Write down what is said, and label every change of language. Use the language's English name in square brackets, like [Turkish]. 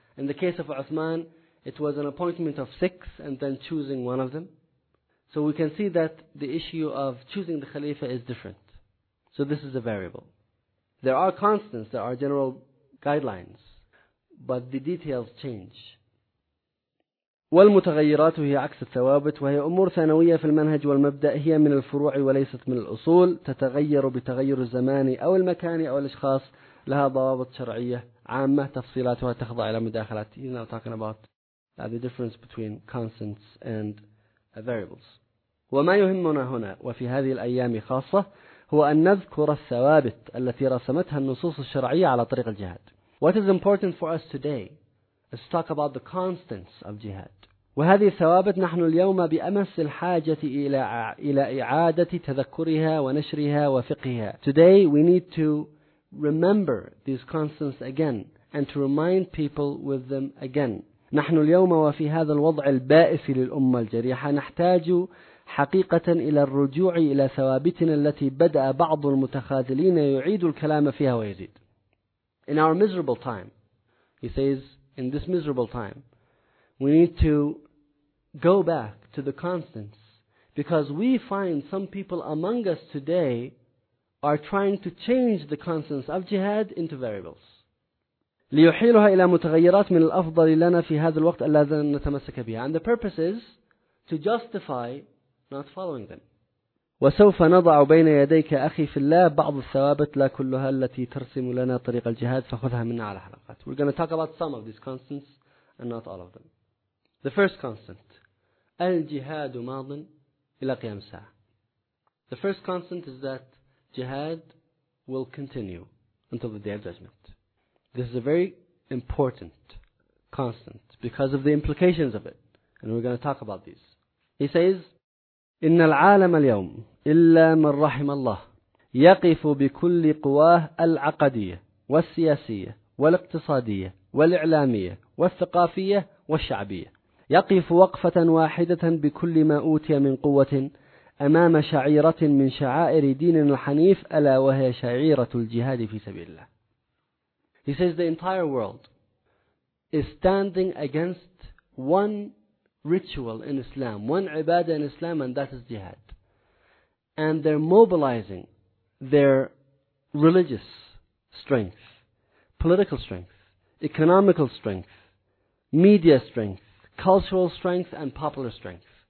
[English] In the case of Uthman, it was an appointment of six and then choosing one of them. So we can see that the issue of choosing the Khalifa is different. So this is a variable. There are constants, there are general guidelines, but the details change. [Arabic] والمتغيرات هي عكس الثوابت وهي أمور ثانوية في المنهج والمبدأ هي من الفروع وليست من الأصول تتغير بتغير الزمان أو المكان أو الأشخاص لها ضوابط شرعية عامة تفصيلاتها تخضع إلى مداخلات. [English] He's now talking about the difference between constants and variables. [Arabic] وما يهمنا هنا وفي هذه الأيام خاصة هو أن نذكر الثوابت التي رسمتها النصوص الشرعية على طريق الجهاد. [English] What is important for us today? Let's talk about the constants of jihad. [Arabic] وهذه الثوابت نحن اليوم بأمس الحاجة إلى إعادة تذكرها ونشرها وفقهها. [English] Today we need to remember these constants again and to remind people with them again. [Arabic] نحن اليوم وفي هذا الوضع البائس للأمة الجريحة نحتاج حقيقة إلى الرجوع إلى ثوابتنا التي بدأ بعض المتخاذلين يعيد الكلام فيها ويزيد. [English] In our miserable time, he says, in this miserable time, we need to go back to the constants, because we find some people among us today are trying to change the constants of jihad into variables. [Arabic] ليحيلها إلى متغيرات من الأفضل لنا في هذا الوقت الذي نتمسك بها. [English] And the purpose is to justify not following them. [Arabic] وسوف نضع بين يديك أخي في الله بعض الثوابت لا كلها التي ترسم لنا طريق الجهاد فخذها منا على حلقات. [English] We're going to talk about some of these constants and not all of them. The first constant, [Arabic] الجهاد ماض إلى قيام الساعة. [English] The first constant is that jihad will continue until the day of judgment. This is a very important constant because of the implications of it, and we're going to talk about these. He says, [Arabic] إن العالم اليوم إلا من رحم الله يقف بكل قواه العقدية والسياسية والاقتصادية والإعلامية والثقافية والشعبية يقف وقفة واحدة بكل ما أوتي من قوة أمام شعيرة من شعائر ديننا الحنيف ألا وهي شعيرة الجهاد في سبيل الله. [English] He says the entire world is standing against one ritual in Islam, one ibadah in Islam, and that is jihad. And they're mobilizing their religious strength, political strength, economical strength, media strength, cultural strength, and popular strength.